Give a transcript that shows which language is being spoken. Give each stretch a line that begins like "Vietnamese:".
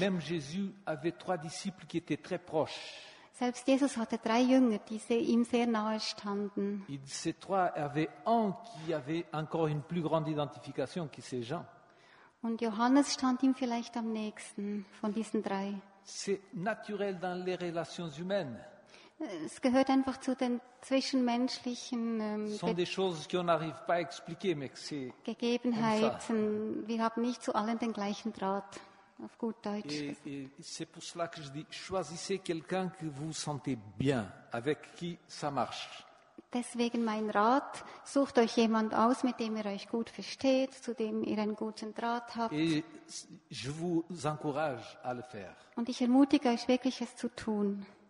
French: Même Jésus avait 3 disciples qui étaient très proches.
German: Selbst Jesus hatte 3 Jünger, die ihm sehr nahe standen.
French: Et ces 3 avaient un qui avait encore une plus grande identification que ces gens.
German: Und Johannes stand ihm vielleicht am nächsten von diesen 3.
French: C'est naturel dans les relations humaines.
German: Es gehört einfach zu den zwischenmenschlichen Gegebenheiten. Wir haben nicht zu allen den gleichen Draht. Auf gut Deutsch.
French: C'est pour cela que je dis, choisissez quelqu'un que vous sentez bien, avec qui ça marche.
German: Deswegen mein Rat, sucht euch jemand aus, mit dem ihr euch gut versteht, zu dem ihr einen guten Draht habt.
French: Et je vous encourage à le faire.
German: Und ich ermutige euch wirklich, es zu tun.